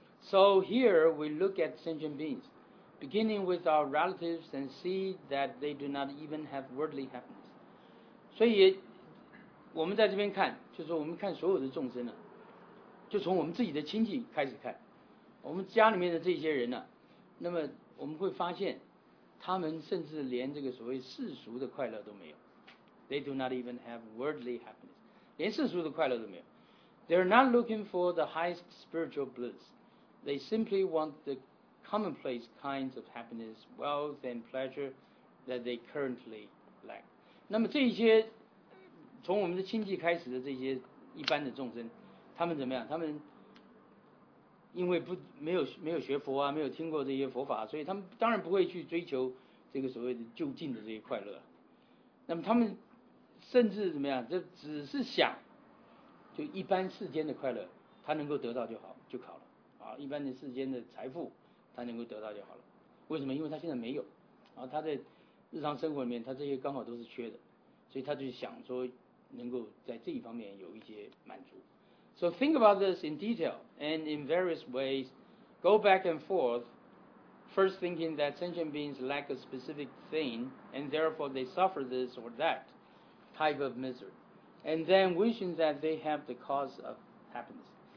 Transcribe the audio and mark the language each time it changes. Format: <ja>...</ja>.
<en>So here we look at sentient beings, beginning with our relatives, and see that they do not even have worldly happiness.</en> <zh>所以我们在这边看，就是我们看所有的众生呢、啊，就从我们自己的亲戚开始看，我们家里面的这些人呢、啊，那么我们会发现，他们甚至连这个所谓世俗的快乐都没有。</zh> <en>They do not even have worldly happiness.</en> <zh>连世俗的快乐都没有。</zh> <en>They are not looking for the highest spiritual bliss. They simply want the commonplace kinds of happiness, wealth, and pleasure that they currently lack.</en> <zh>那么这一些从我们的亲戚开始的这些一般的众生，他们怎么样？他们因为没有学佛啊，没有听过这些佛法，所以他们当然不会去追求这个所谓的就近的这些快乐。那么他们甚至怎么样，就只是想就一般世间的快乐他能够得到就好就好了啊，一般的世间的财富他能够得到就好了。为什么？因为他现在没有啊，他在日常生活里面他这些刚好都是缺的，所以他就想说能够在这一方面有一些满足。</zh> <en>So think about this in detail and in various ways go back and forth, first thinking that sentient beings lack a specific thing and therefore they suffer this or thatType of misery, and then wishing that they have the cause of happiness.</en>